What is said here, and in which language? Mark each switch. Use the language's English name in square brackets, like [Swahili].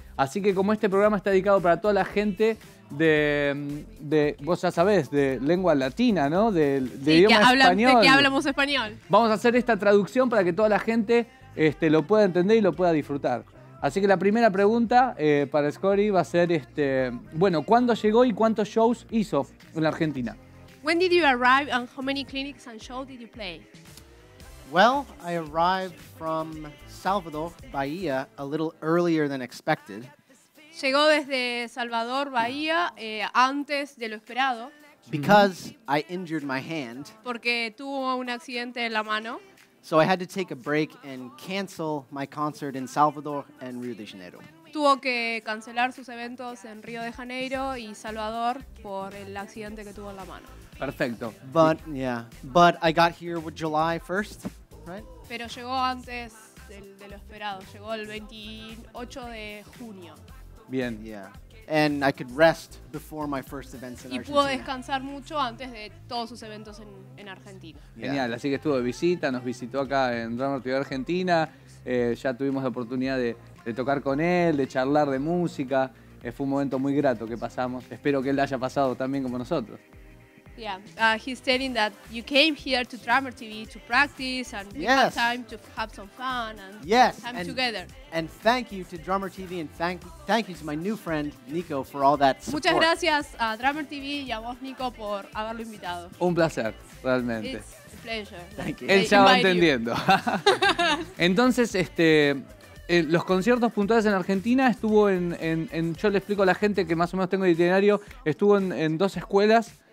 [Spanish] Así que como este programa está dedicado para toda la gente de vos ya sabés, de lengua latina, ¿no? De idioma español. De que hablamos español. Vamos a hacer esta traducción para que toda la gente lo pueda entender y lo pueda disfrutar. Así que la primera pregunta para Scotty va a ser, ¿cuándo llegó y cuántos shows hizo en la Argentina? [English] When did you arrive and how many clinics and shows did you play? Well, I arrived from Salvador, Bahía, a little earlier than expected. [Spanish] Llegó desde Salvador, Bahía, antes de lo esperado. [English] Because I injured my hand. [Spanish] Porque tuvo un accidente en la mano. [English] So I had to take a break and cancel my concert in Salvador and Rio de Janeiro. [Spanish] Tuvo que cancelar sus eventos en Río de Janeiro y Salvador por el accidente que tuvo en la mano. Perfecto. [English] But I got here with July 1st, right? [Spanish] Pero llegó antes de lo esperado. Llegó el 28 de junio. Bien. [English] Yeah. And I could rest before my first events in Argentina. [Spanish] Y pudo descansar mucho antes de todos sus eventos en Argentina. Yeah. Genial. Así que estuvo de visita, nos visitó acá en Drummer TV Argentina. Ya tuvimos la oportunidad de tocar con él, de charlar de música. Fue un momento muy grato que pasamos. Espero que él haya pasado también como nosotros. [English] Yeah, he's telling that you came here to Drummer TV to practice and we yes. had time to have some fun and yes. time and, together. And thank you to Drummer TV and thank you to my new friend Nico for all that support. [Spanish] Muchas gracias a Drummer TV y a vos Nico por haberlo invitado. Un placer, realmente. [English] It's a pleasure. Thank you. [Spanish] Él ya va entendiendo. Entonces, los conciertos puntuales en Argentina estuvo en yo le explico a la gente que más o menos tengo el itinerario, estuvo en dos escuelas.